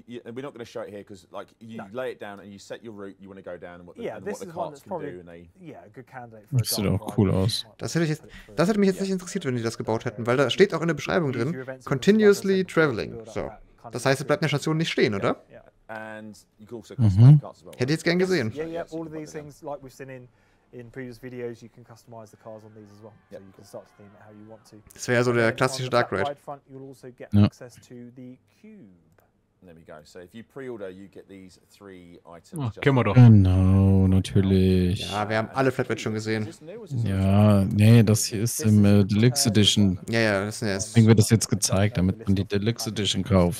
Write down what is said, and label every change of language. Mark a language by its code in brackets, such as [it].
[en] We're not going to show it here because, like, lay it down and you set your route you want to go down and what the, carts can do. And they... Yeah, a good candidate for that. [de] Sieht auch cool aus. Das hätte mich jetzt nicht interessiert, wenn die das gebaut hätten, weil da steht auch in der Beschreibung drin: [en] continuously traveling. [de] So, das heißt, es bleibt eine Station nicht stehen, oder? Hätte ich jetzt gern gesehen. [en] Yeah, all of these things, like we've seen in previous videos, you can customize the cars on these as well. Yep. So you can start to theme it how you want to. [de] Das wäre so der klassische Dark Ride. [en] Front, you'll also get access to the cube. There we go. So if you pre-order, you get these three items. [de] Ach, kümmer doch. Genau, natürlich. Ja, wir haben alle Flatbed schon gesehen. Ja, nee, das hier ist im Deluxe Edition. Ja, deswegen wird das jetzt gezeigt, damit man die Deluxe Edition kauft.